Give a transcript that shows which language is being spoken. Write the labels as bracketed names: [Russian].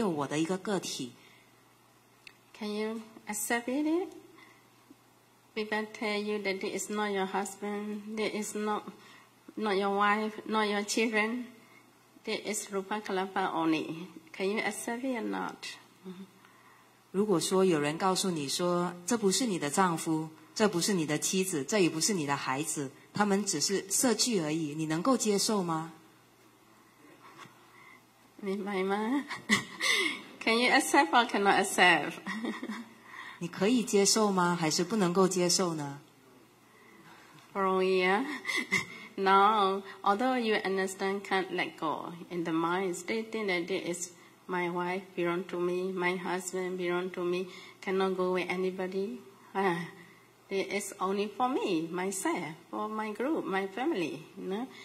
[Chinese] 那我是谁？这些是属于我的，这些种种的一些错误的理解呢？这些邪见呢？我们都能够把它断除。到最后呢，就我们能够看到说，没有我，没有属于我的，也没有我的一个个体。Can [English] you accept it? People tell you that it is not your husband, that is not your wife, not your children, that is rupa kalpa only. Can you accept it or not? [Chinese] 如果说有人告诉你说，这不是你的丈夫，这不是你的妻子，这也不是你的孩子，他们只是色聚而已，你能够接受吗？明白吗？ [English] Can you accept or cannot accept? [Chinese] 你可以接受吗？还是不能够接受呢？ [English] Oh yeah. Now, although you understand can't let go in the mind, they think that it is my wife belong to me, my husband belong to me, cannot go with anybody. It's only for me, myself, for my group, my family. You know?